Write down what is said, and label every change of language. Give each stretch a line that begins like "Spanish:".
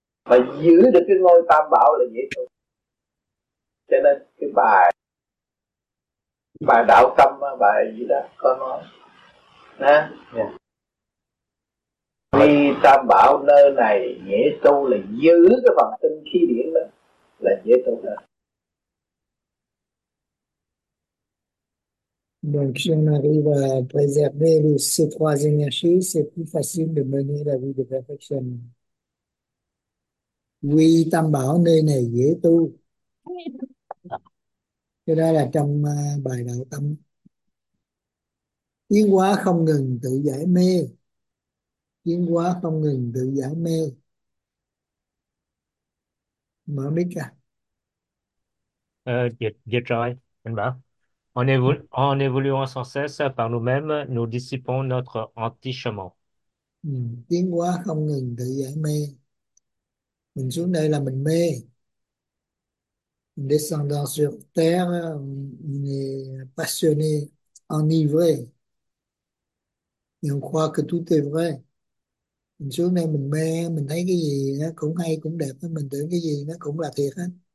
Vietnamese: Mà giữ được cái ngôi tam bảo là dễ tu. Cho nên cái bài đạo tâm bài gì đó có nói nè. Đi tam bảo nơi này dễ tu là giữ cái phần tinh khí điển đó là dễ tu đó.
French: Donc, si on arrive à préserver ces trois énergies, c'est plus facile de mener la vie de perfection.
Vietnamese: Oui, Tam Bảo nơi này dễ tu. Cái đó là trong bài Đạo Tâm. Tiến hóa không ngừng tự giải mê. Tiến hóa không ngừng tự giải mê. Mở mic ra. Dịch rồi, anh bảo.
French: En évoluant sans cesse par nous-mêmes, nous dissipons notre entichement.
Vietnamese: Tiến hóa không ngừng tự giải mê. Mình xuống đây là mình mê.
French: Descendant sur terre, on est passionné, enivré. Et on croit que tout est vrai.
Vietnamese: Mình xuống đây mình mê, mình thấy cái gì nó cũng hay, cũng đẹp. Mình tưởng cái gì nó cũng là thiệt hết.